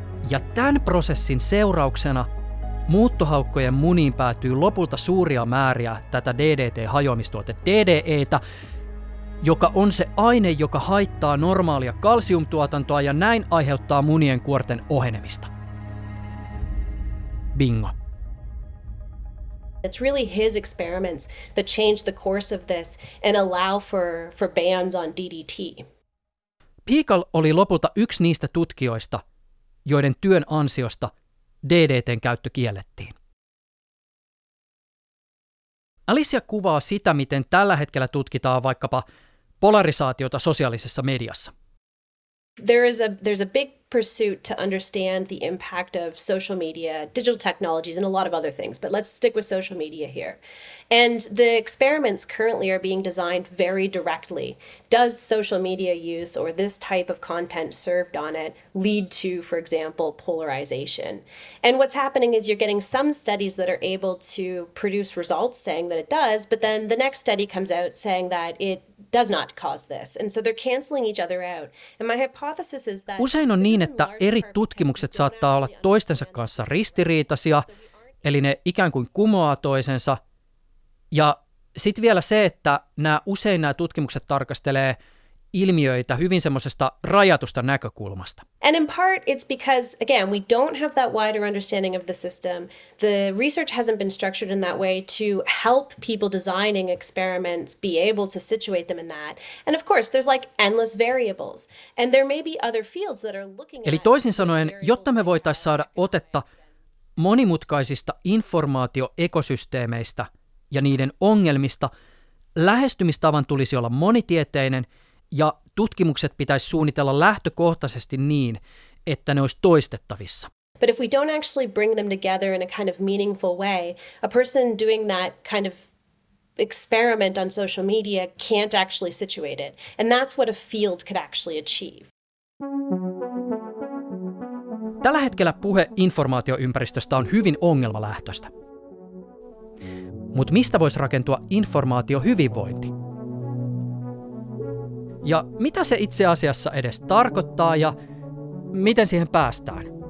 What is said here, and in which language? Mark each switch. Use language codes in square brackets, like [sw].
[fi] Ja tämän prosessin seurauksena muuttohaukkojen muniin päätyy lopulta suuria määriä tätä DDT-hajoamistuote DDE:tä, joka on se aine, joka haittaa normaalia kalsiumtuotantoa ja näin aiheuttaa munien kuorten ohenemista. [en] Bingo. It's really his experiments that change the course of this and allow for bans on DDT. [fi] Peacle oli lopulta yksi niistä tutkijoista, joiden työn ansiosta DDT:n käyttö kiellettiin. Alicia kuvaa sitä, miten tällä hetkellä tutkitaan vaikkapa polarisaatiota sosiaalisessa mediassa. [en] There's a big pursuit to understand the impact of social media, digital technologies and a lot of other things, but let's stick with social media here. And the experiments currently are being designed very directly. Does social media use or this type of content served on it lead to, for example, polarization? And what's happening is you're getting some studies that are able to produce results saying that it does, but then the next study comes out saying that it does not cause this. And so they're canceling each other out. And my hypothesis is that [fi] usein on niin, että eri tutkimukset saattaa olla toistensa kanssa ristiriitaisia, eli ne ikään kuin kumoaa toisensa. Ja sitten vielä se, että nämä tutkimukset tarkastelee ilmiöitä hyvin semmoisesta rajatusta näkökulmasta. [en] And in part it's because again we don't have that wider understanding of the system. The research hasn't been structured in that way to help people designing experiments be able to situate them in that. And of course there's like endless variables. And there may be other fields that are looking at. [fi] Eli toisin sanoen, jotta me voitais saada otetta monimutkaisista informaatioekosysteemeistä ja niiden ongelmista, lähestymistavan tulisi olla monitieteinen ja tutkimukset pitäisi suunnitella lähtökohtaisesti niin, että ne olisi toistettavissa. [en] But if we don't actually bring them together in a kind of meaningful way, a person doing that kind of experiment on social media can't actually situate it. And that's what a field could actually achieve. [fi] Tällä hetkellä puhe informaatioympäristöstä on hyvin ongelmalähtöistä. Mutta mistä voisi rakentua informaatiohyvinvointi? Ja mitä se itse asiassa edes tarkoittaa ja miten siihen päästään?